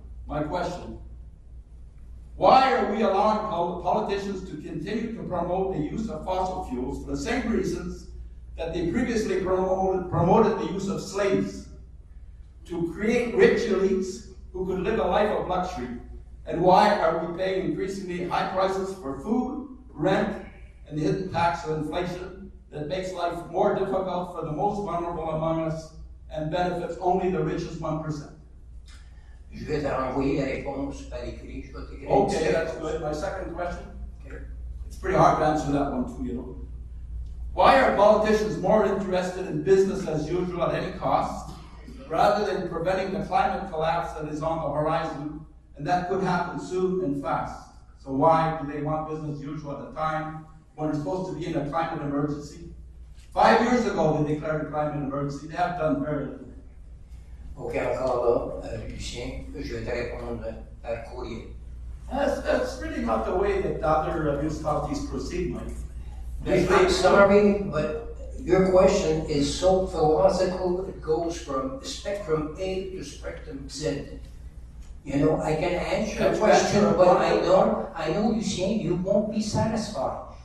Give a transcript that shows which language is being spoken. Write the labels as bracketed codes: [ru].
[en] My question, why are we allowing politicians to continue to promote the use of fossil fuels for the same reasons that they previously promoted the use of slaves, to create rich elites who could live a life of luxury? And why are we paying increasingly high prices for food, rent, and the hidden tax of inflation that makes life more difficult for the most vulnerable among us and benefits only the richest 1%? [fr] Je vais te renvoyer la réponse par écrit. Je vais te créer une séquence. [en] That's good. My second question. Okay. It's pretty hard to answer that one too, you know. Why are politicians more interested in business as usual at any cost rather than preventing the climate collapse that is on the horizon? And that could happen soon and fast. So why do they want business as usual at the time when we're supposed to be in a climate emergency? 5 years ago, they declared a climate emergency. They have done very little. [fr] OK, encore là, Lucien, je vais te répondre par courrier. [en] That's really not the way that other municipalities proceed, Mike. I'm sorry, but your question is so philosophical, it goes from spectrum A to spectrum Z. You know, I can answer your question, but I know, Lucien, you won't be satisfied.